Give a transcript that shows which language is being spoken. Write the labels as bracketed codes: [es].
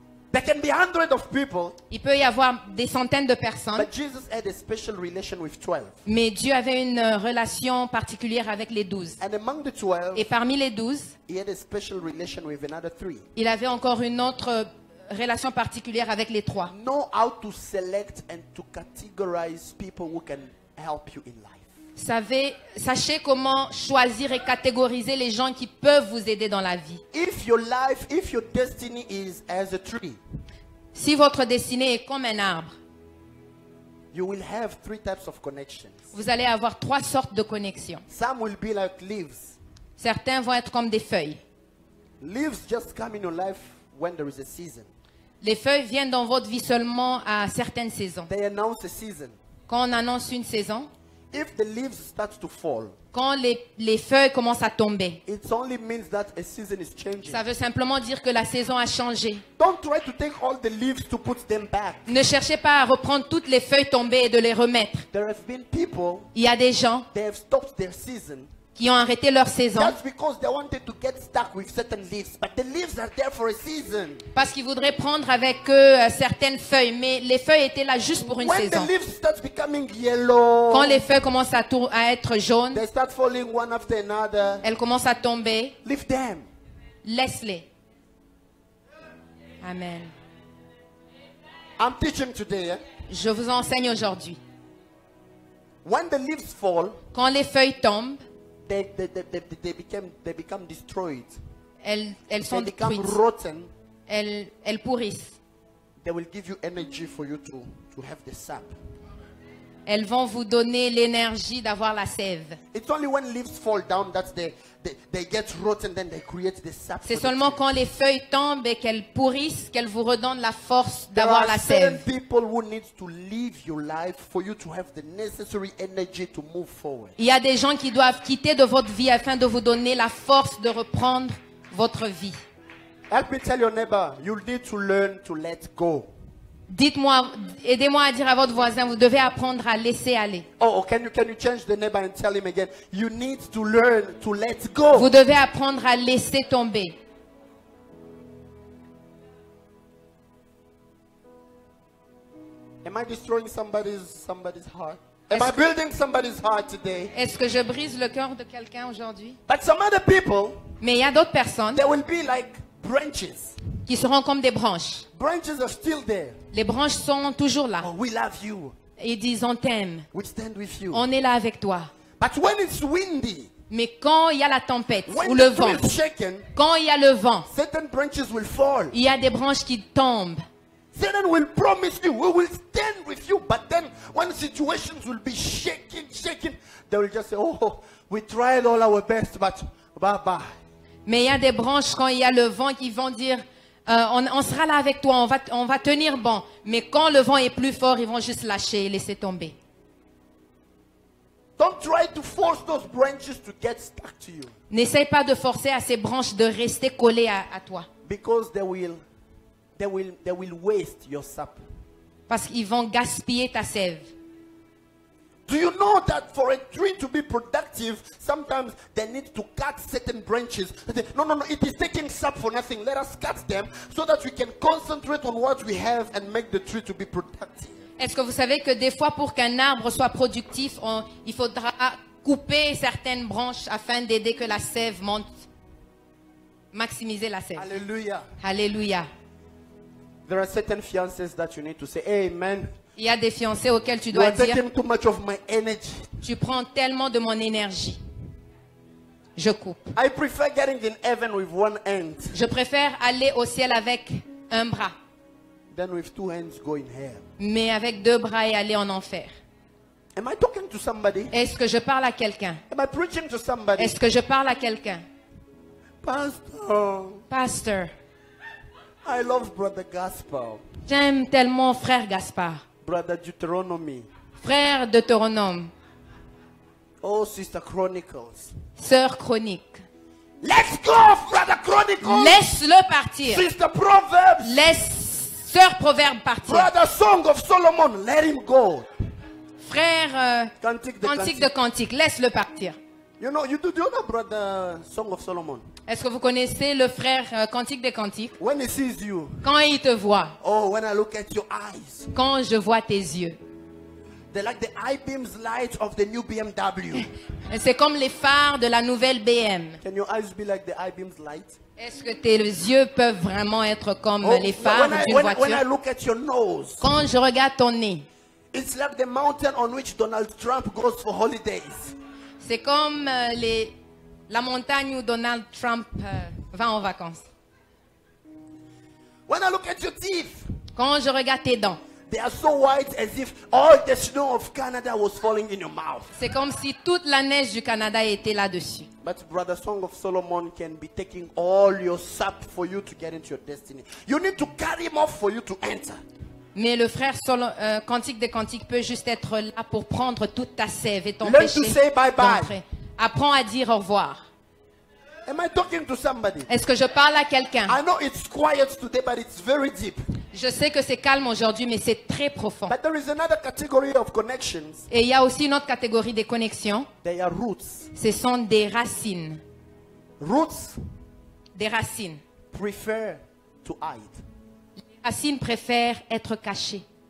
[en] There can be hundreds of people. [fr] Il peut y avoir des centaines de personnes. [en] But Jesus had a special relation with 12. [fr] Mais Dieu avait une relation particulière avec les 12. [en] And among the 12, [fr] et parmi les 12, [en] he had a special relation with another 3. [fr] Il avait encore une autre relation particulière avec les 3. [en] Know how to select and to categorize people who can help you in life. [fr] Sachez comment choisir et catégoriser les gens qui peuvent vous aider dans la vie. [en] If your destiny is as a tree, [fr] si votre destinée est comme un arbre, [en] you will have three types of connections. [fr] Vous allez avoir trois sortes de connexions. [en] Some will be like leaves. [fr] Certains vont être comme des feuilles. [en] Leaves just come in your life when there is a season. [fr] Les feuilles viennent dans votre vie seulement à certaines saisons. [en] They announce a season. [fr] Quand on annonce une saison, [en] if the leaves start to fall, [fr] quand les feuilles commencent à tomber, [en] it only means that a season is changing. [fr] Ça veut simplement dire que la saison a changé. [en] Don't try to take all the leaves to put them back. [fr] Ne cherchez pas à reprendre toutes les feuilles tombées et de les remettre. [en] There have been people, [fr] il y a des gens, [en] they have stopped their season, [fr] qui ont arrêté leur saison. [en] That's because they wanted to get stuck with certain leaves, but the leaves are there for a season. [fr] Parce qu'ils voudraient prendre avec eux certaines feuilles, mais les feuilles étaient là juste pour une [en] when [fr] saison. [en] When the leaves start becoming yellow, [fr] quand les feuilles commencent à être jaunes, [en] they start falling one after another. [fr] Elles commencent à tomber. [en] Leave them. [fr] Laisse-les. Amen. [en] I'm teaching today. [fr] Je vous enseigne aujourd'hui. [en] When the leaves fall, [fr] quand les feuilles tombent, [en] They become destroyed. [fr] Elles sont détruites. [en] They become rotten. [fr] Elles pourrissent. [en] They will give you energy for you to have the sap. [fr] Elles vont vous donner l'énergie d'avoir la sève. [en] It's only when leaves fall down that they get rotten, then they create the sap. [fr] C'est seulement quand les feuilles tombent et qu'elles pourrissent qu'elles vous redonnent la force d'avoir la sève. [en] There are certain people who need to leave your life for you to have the necessary energy to move forward. [fr] Il y a des gens qui doivent quitter de votre vie afin de vous donner la force de reprendre votre vie. [en] Help me tell your neighbor, you need to learn to let go. [fr] Dites-moi, aidez-moi à dire à votre voisin, vous devez apprendre à laisser aller. [en] Oh, can you change the neighbor and tell him again, you need to learn to let go. [fr] Vous devez apprendre à laisser tomber. [en] Am I destroying somebody's heart? Am I building somebody's heart today? [fr] Est-ce que je brise le cœur de quelqu'un aujourd'hui? [en] But some other people, [fr] mais il y a d'autres personnes. [en] They will be like branches. [fr] Qui seront comme des branches. [en] Branches are still there. [fr] Les branches sont toujours là. [en] Oh, we love you. [fr] Ils disent on t'aime. [en] We stand with you. [fr] On est là avec toi. [en] But when it's windy, [fr] mais quand il y a la tempête [en] when [fr] ou le vent, [en] shaken, [fr] quand il y a le vent, [en] certain branches will fall. [fr] Il y a des branches qui tombent. [en] Satan will promise you, we will stand with you, but then when situations will be shaking, they will just say, oh, we tried all our best, but bye-bye. [fr] Mais il y a des branches, quand il y a le vent, qui vont dire, on sera là avec toi, on va tenir bon. Mais quand le vent est plus fort, ils vont juste lâcher et laisser tomber. [en] Don't try to force those branches to get stuck to you. [fr] N'essaye pas de forcer à ces branches de rester collées à toi. [en] Because they will waste your sap. [fr] Parce qu'ils vont gaspiller ta sève. [en] Do you know that for a tree to be productive, sometimes they need to cut certain branches? No, it is taking sap for nothing. Let us cut them so that we can concentrate on what we have and make the tree to be productive. [fr] Est-ce que vous savez que des fois pour qu'un arbre soit productif, il faudra couper certaines branches afin d'aider que la sève monte, maximiser la sève. Alléluia. Alléluia. [en] There are certain fiancés that you need to say amen. [fr] Il y a des fiancés auxquels tu dois dire [en] too much of my energy. [fr] Tu prends tellement de mon énergie. Je coupe. [en] I prefer getting in heaven with one hand. [fr] Je préfère aller au ciel avec un bras. [en] Then with two hands go in hell. [fr] Mais avec deux bras et aller en enfer. [en] Am I talking to somebody? [fr] Est-ce que je parle à quelqu'un? [en] Am I preaching to somebody? [fr] Est-ce que je parle à quelqu'un? [en] Pastor. I love brother Gaspar. [fr] J'aime tellement frère Gaspar. [en] Brother Deuteronomy. [fr] Frère Deutéronome. [en] Oh sister Chronicles. [fr] Sœur Chronique. [en] Let's go brother Chronicles. [fr] Laisse-le partir. [en] Sister Proverbs. [fr] Laisse sœur Proverbe partir. [en] Brother Song of Solomon, let him go. [fr] Frère Cantique de Cantique, laisse-le partir. [en] You know, do you know brother Song of Solomon? [fr] Est-ce que vous connaissez le frère Cantique des Cantiques? [en] When he sees you. [fr] Quand il te voit. [en] Oh, when I look at your eyes. [fr] Quand je vois tes yeux. [en] They like the high beams light of the new BMW. [fr] C'est comme les phares de la nouvelle BM. [en] Can your eyes be like the high beams light? [fr] Est-ce que tes yeux peuvent vraiment être comme les phares d'une voiture? [en] When I look at your nose. [fr] Quand je regarde ton nez. [en] It's like the mountain on which Donald Trump goes for holidays. [fr] C'est comme la montagne où Donald Trump va en vacances. [en] When I look at your teeth, [fr] quand je regarde tes dents, [en] they are so white as if all the snow of Canada was falling in your mouth. [fr] C'est comme si toute la neige du Canada était là-dessus. [en] But brother Song of Solomon can be taking all your sap for you to get into your destiny. You need to cut him off for you to enter. [fr] Mais le frère Cantique des Cantiques peut juste être là pour prendre toute ta sève et ton péché. Apprends à dire au revoir. [en] Am I talking to somebody? [fr] Est-ce que je parle à quelqu'un? [en] I know it's quiet today, but it's very deep. [fr] Je sais que c'est calme aujourd'hui, mais c'est très profond. [en] But there is another category of connections. [fr] Et il y a aussi une autre catégorie des connexions. [en] They are roots. [fr] Ce sont des racines. [en] Roots. [fr] Des racines. [en] Prefer to hide. [fr] Racines préfèrent être cachées.